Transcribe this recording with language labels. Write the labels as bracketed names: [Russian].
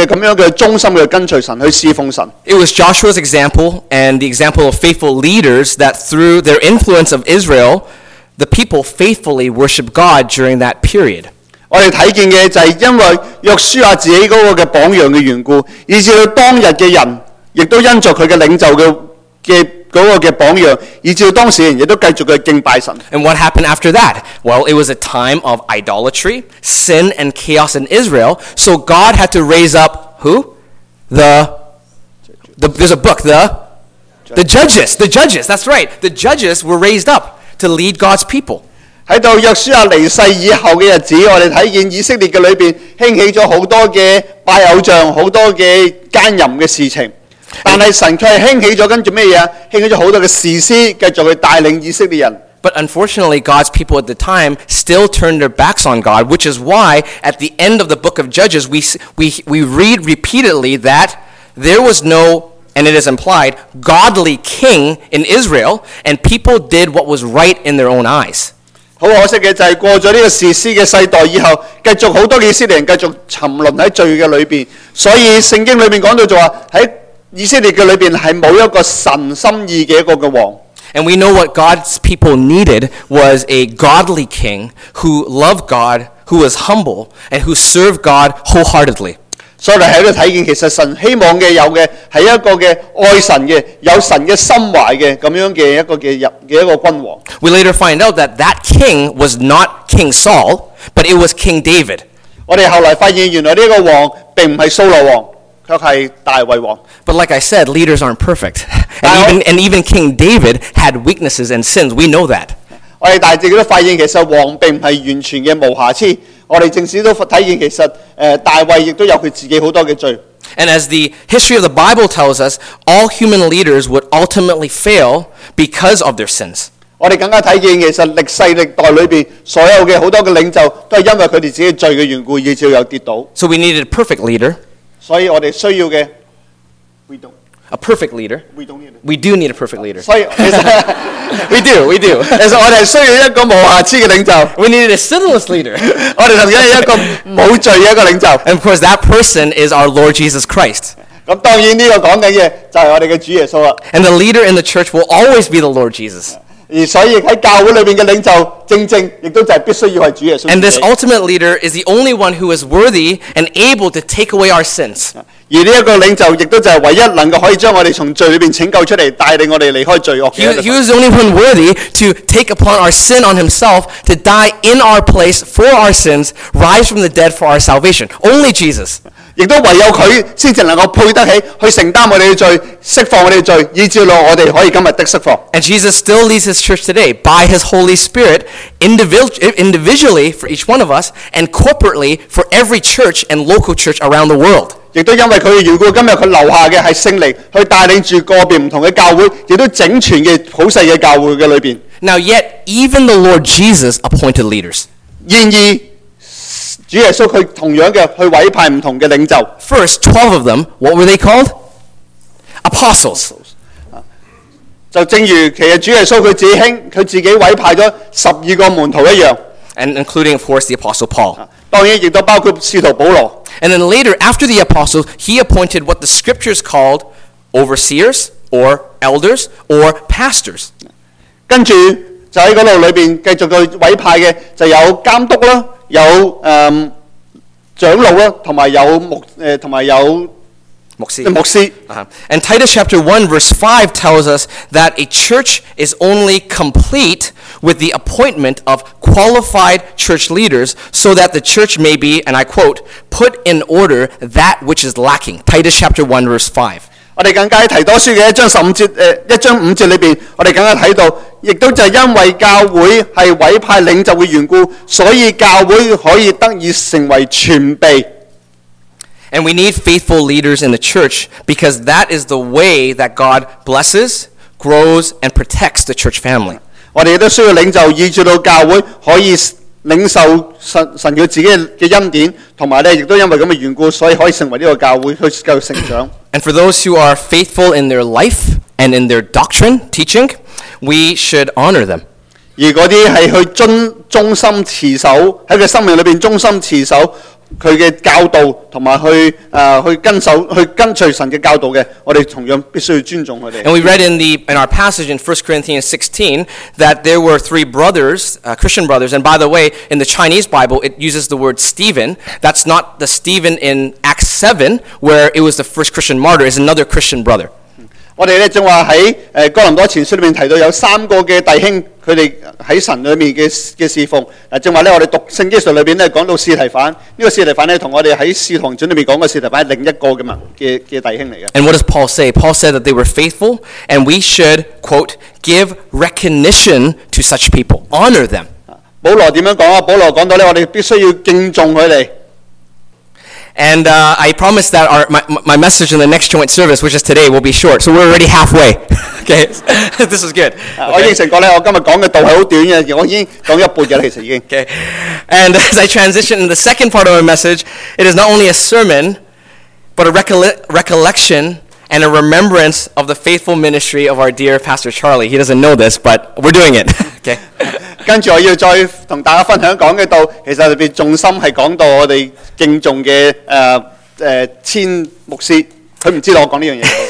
[Chinese] 我們看見的其實神在約書亞記的最後的時候，我們更加看見其實聖經講到以色列人繼續的侍奉神，在約書亞的日子裡面忠心的侍奉神。同樣的，那些領袖他們都是繼續的這樣的忠心的跟隨神去侍奇奉神。 [English] It was Joshua's example and the example of faithful leaders that through their influence of Israel, the people faithfully worshiped God during that period. [Chinese] 我們看見的就是因為約書亞自己的榜樣的緣故，以至到當日的人，亦都因著他的領袖的榜樣，以至到當時人也都繼續的敬拜神。 [English] And what happened after that? Well, it was a time of idolatry, sin and chaos in Israel. So God had to raise up who? The judges. That's right. The judges were raised up to lead God's people. [Chinese] 在約書亞離世以後的日子，我們看見以色列的裏面興起了很多的拜偶像，很多的奸淫的事情。但是神却兴起了跟着什么？兴起了很多的士师继续去带领以色列人。 [English] But unfortunately, God's people at the time still turned their backs on God, which is why at the end of the book of Judges, we read repeatedly that there was no, and it is implied, godly king in Israel, and people did what was right in their own eyes. [Chinese] 很可惜的就是过了这个士师的世代以后，继续很多以色列人继续沉沦在罪的里面。所以圣经里面讲到就说，在以色列的里面是没有一个神心意的一个王。 [English] And we know what God's people needed was a godly king who loved God, who was humble, and who served God wholeheartedly. So we here to see, actually, [Chinese] 神希望嘅有嘅系一个嘅爱神嘅有神嘅心怀嘅咁样嘅一个嘅入嘅一个君王。 [English] We later find out that that king was not King Saul, but it was King David. [Chinese] 我哋后来发现，原来呢个王并唔系扫罗王。 [English] But like I said, leaders aren't perfect. And even King David had weaknesses and sins. We know that. [Chinese] 我们大致都发现其实王并不是完全的无瑕疵。我们正是都体现其实大卫也有他自己很多的罪。 [English] And as the history of the Bible tells us, all human leaders would ultimately fail because of their sins. [Chinese] 我们更加体现其实历世历代里面所有的很多的领袖都是因为他们自己的罪的缘故以致有跌倒。 [English] So we needed a perfect leader. [Chinese] 所以我们需要的 [English] we don't. A perfect leader. We don't need a perfect leader. We do need a perfect leader. We do, we do. [Chinese] 我们需要一个无瑕疵的领袖。 [English] We need a sinless leader. [Chinese] 我们需要一个无罪的一个领袖。 [English] And of course, that person is our Lord Jesus Christ. [Chinese] 当然这个讲的就是我们的主耶稣。 [English] And the leader in the church will always be the Lord Jesus. [Chinese] 而所以在教会里面的领袖正正也都是必须要是主耶稣。 [English] And this ultimate leader is the only one who is worthy and able to take away our sins. [Chinese] 而这个领袖也都是唯一能够可以将我们从罪里面拯救出来，带领我们离开罪恶的。 [English] He was the only one worthy to take upon our sin on himself, to die in our place for our sins, rise from the dead for our salvation. Only Jesus. [Chinese] 也都唯有他才能够配得起去承担我们的罪，释放我们的罪，以致我们可以今天的释放。 [English] And Jesus still leads his church today by his Holy Spirit,individually for each one of us and corporately for every church and local church around the world. [Chinese] 也都因为他的缘故，今天他留下的是圣灵，去带领着个别不同的教会，也都整全的普世的教会的里面。 [English] Now yet, even the Lord Jesus appointed leaders. [Chinese] 然而，主耶稣他同样的去委派不同的领袖。 [English] First, 12 of them, what were they called? Apostles. [Chinese] 就正如其实主耶稣他自己委派了十二个门徒一样 [English] ，and including of course the apostle Paul。 [Chinese] 当然亦都包括使徒保罗。 [English] And then later after the apostles, he appointed what the scriptures called overseers or elders or pastors。 [Chinese] 跟住就喺嗰度里边继续去委派嘅就有监督啦，有长老啦，同埋有牧师。 Uh-huh. [English] And Titus chapter 1 verse 5 tells us that a church is only complete with the appointment of qualified church leaders so that the church may be, and I quote, put in order that which is lacking. Titus chapter 1 verse 5. [Chinese] 我们更加提多书的一章五节里面，我们更加看到，也就是因为教会是委派领袖的缘故，所以教会可以得以成为全备。 [English] And we need faithful leaders in the church because that is the way that God blesses, grows, and protects the church family. [Chinese] 我们也需要领袖以致到教会可以领受神他自己的恩典，同埋咧，亦都因为咁嘅缘故，所以可以成为呢个教会去继续成长。 [English] And for those who are faithful in their life and in their doctrine teaching, we should honor them. [Chinese] 而嗰啲系去忠心持守喺佢生命里边忠心持守。佢嘅教导同埋去跟随神嘅教导嘅，我哋同样必须要尊重佢哋。 [English] And we read in our passage in 1 Corinthians 16 that there were three brothers, Christian brothers. And by the way, in the Chinese Bible, it uses the word Stephen. That's not the Stephen in Acts 7 where it was the first Christian martyr. It's another Christian brother. [Chinese] 我哋咧正话喺哥林多前书里面提到有三个嘅弟兄，佢哋喺神里面嘅侍奉。正话咧，我哋读圣经上里边咧讲到使提反，呢、这个使提反咧同我哋喺使徒行传里面讲嘅使提反系另一个嘅嘛嘅弟兄嚟嘅。 [English] And what does Paul say? Paul said that they were faithful, and we should quote give recognition to such people, honor them. [Chinese] 保罗点样讲啊？保罗讲到咧，我哋必须要敬重佢哋。 [English] And I promise that my message in the next joint service, which is today, will be short. So we're already halfway. Okay, this is good. Okay. [Chinese] 我答应过你，我今日讲嘅道系好短嘅，我已经讲一半嘅啦，其实已经。 [English] Okay, and as I transition in the second part of my message, it is not only a sermon, but a recollection and a remembrance of the faithful ministry of our dear Pastor Charlie. He doesn't know this, but we're doing it. Okay. [Chinese] 跟住我要再同大家分享讲嘅道，其实特别重心系讲到我哋敬重嘅千牧师，佢唔知道我讲呢样嘢。